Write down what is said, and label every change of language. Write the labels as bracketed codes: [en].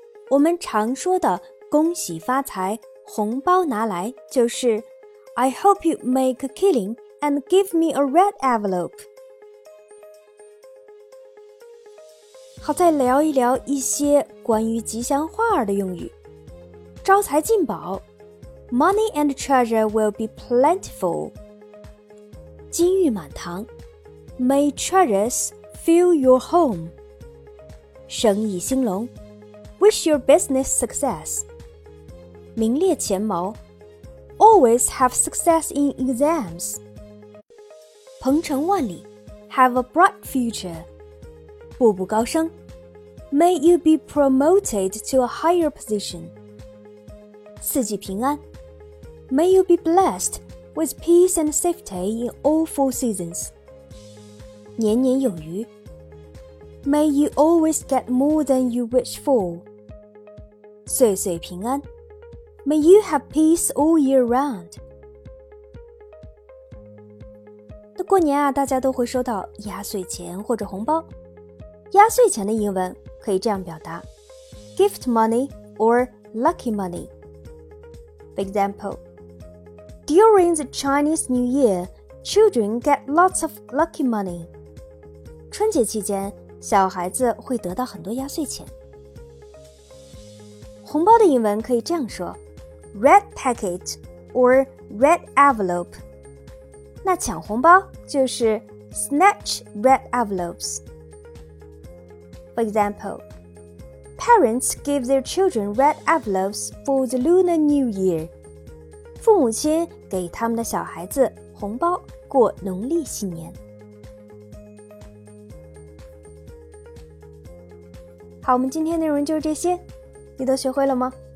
[zh] 我们常说的恭喜发财红包拿来就是 [en] I hope you make a killing and give me a red envelope。 [zh] 好，再聊一聊一些关于吉祥话儿的用语。招财进宝， [en] Money and treasure will be plentiful， [zh] 金玉满堂， [en] May treasures fill your home， [zh] 生意兴隆， [en] Wish your business success [zh] 名列前茅， [en] Always have success in exams， [zh] 鹏程万里， [en] Have a bright future， [zh] 步步高升， [en] May you be promoted to a higher position， [zh] 四季平安， [en] May you be blessed with peace and safety in all four seasons， [zh] 年年有余， [en] May you always get more than you wish for， [zh] 岁岁平安， [en] May you have peace all year round. [zh] 那过年啊，大家都会收到压岁钱或者红包。压岁钱的英文可以这样表达： [en] gift money or lucky money. For example, during the Chinese New Year, children get lots of lucky money. [zh] 春节期间，小孩子会得到很多压岁钱。红包的英文可以这样说： [en] Red packet or red envelope. [zh] 那抢红包就是 [en] snatch red envelopes. For example, parents give their children red envelopes for the Lunar New Year. [zh] 父母亲给他们的小孩子红包过农历新年。好，我们今天内容就是这些，你都学会了吗？